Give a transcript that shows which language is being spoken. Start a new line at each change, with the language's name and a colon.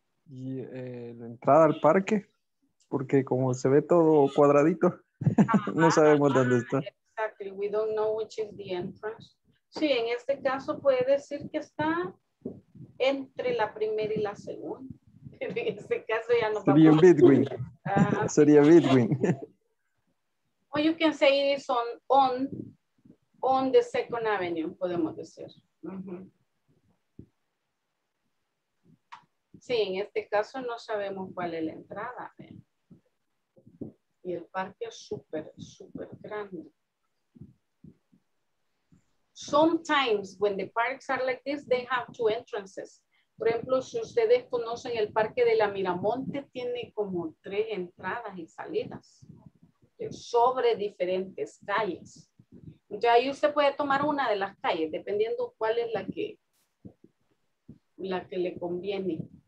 Spanish: Y la entrada al parque, porque como se ve todo cuadradito, no sabemos dónde está.
English: Exactly, we don't know which is the entrance.
Spanish: Sí, en este caso puede decir que está entre la primera y la segunda. En este caso ya no sería vamos. Between. Sería between.
English: Or you can say it is on the second avenue,
Spanish: podemos decir. Uh-huh. Sí, en este caso no sabemos cuál es la entrada. Y el parque es súper, súper grande.
English: Sometimes when the parks are like this, they have two entrances.
Spanish: Por ejemplo, si ustedes conocen el parque de la Miramonte, tiene como tres entradas y salidas sobre diferentes calles. Entonces ahí usted puede tomar una de las calles, dependiendo cuál es la que le conviene.